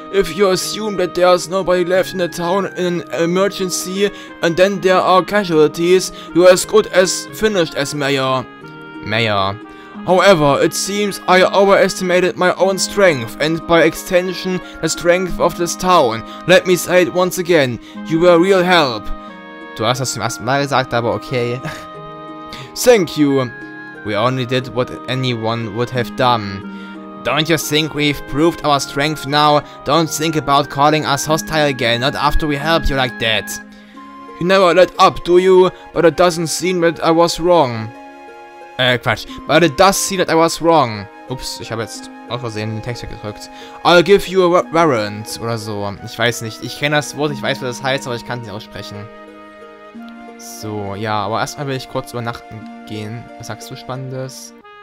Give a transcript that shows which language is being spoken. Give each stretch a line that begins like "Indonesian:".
English: If you assume that there's nobody left in the town in an emergency, and then there are casualties, you're as good as finished as mayor. Mayor. However, it seems I overestimated my own strength, and by extension, the strength of this town. Let me say it once again, you were a real help.
German: Du hast das zum ersten Mal gesagt, aber okay.
English: Thank you. We only did what anyone would have done. Don't you think we've proved our strength now? Don't think about calling us hostile again, not after we helped you like that. You never let up, do you? But it doesn't seem that I was wrong.
German: Quatsch.
English: But it does seem that I was wrong.
German: Ups, ich habe jetzt aus Versehen den Text weggedrückt.
English: I'll give you a warrant,
German: oder so. Ich weiß nicht. Ich kenne das Wort, ich weiß, was das heißt, aber ich kann es nicht aussprechen. So, ja, aber erstmal will ich kurz übernachten gehen. Was sagst du Spannendes?